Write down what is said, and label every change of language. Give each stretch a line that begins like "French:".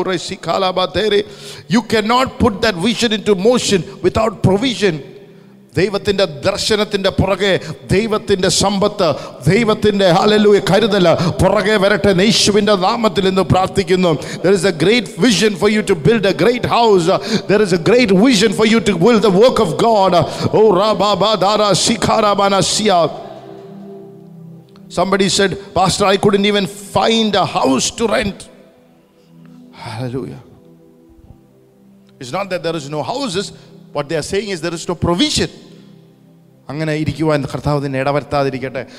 English: You cannot put that vision into motion without provision.
Malayalam: ദൈവത്തിന്റെ ദർശനത്തിന്റെ പുറകെ ദൈവത്തിന്റെ സമ്പത്ത് ദൈവത്തിന്റെ ഹല്ലേലൂയ കരുതല് പുറകെ വരട്ടെ. യേശുവിന്റെ നാമത്തിൽ ഇന്ന് പ്രാർത്ഥിക്കുന്നു.
English: There is a great vision for you to build a great house. There is a great vision for you to build the work of God. ഓ റബബ ദാര സിഖാരബനസിയ. Somebody said, Pastor, I couldn't even find a house to rent. Hallelujah. It's not that there is no houses. What they are saying is there is no provision.
Malayalam: അങ്ങനെ ഇരിക്കുവാൻ കർത്താവിനെ ഇടവരുത്താതിരിക്കട്ടെ.